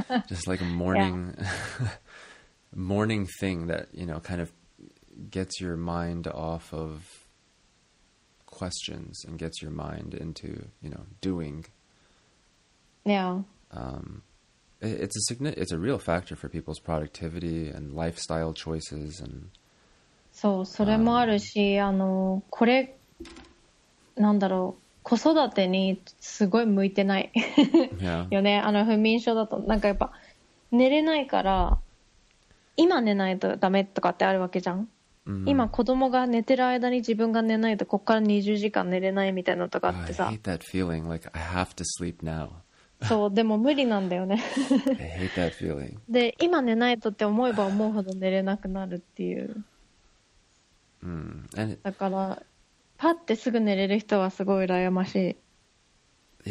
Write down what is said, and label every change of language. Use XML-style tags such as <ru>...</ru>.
<en>Just like a morning, morning thing that, you know, kind of gets your mind off of questions and gets your mind into, you know, doing. Yeah. It's a real factor for people's productivity and lifestyle choices and</en> <ja>そう、それもあるし、これなんだろう、子育てにすごい向いてない よね。不眠症だと、なんかやっぱ寝れないから、今寝ないとダメとかってあるわけじゃん。今子供が寝てる間に自分が寝ないと、こっから20時間寝れないみたいなのとかってさ。</ja> <en>hate that feeling, like I have to sleep now.</en> <ja>そう、でも無理なんだよね</ja> <en>I hate that feeling.</en> <ja>で、今寝ないとって思えば思うほど寝れなくなるっていう。</ja> <en>And</en> <ja>だから、パッてすぐ寝れる人はすごい羨ましい。</ja>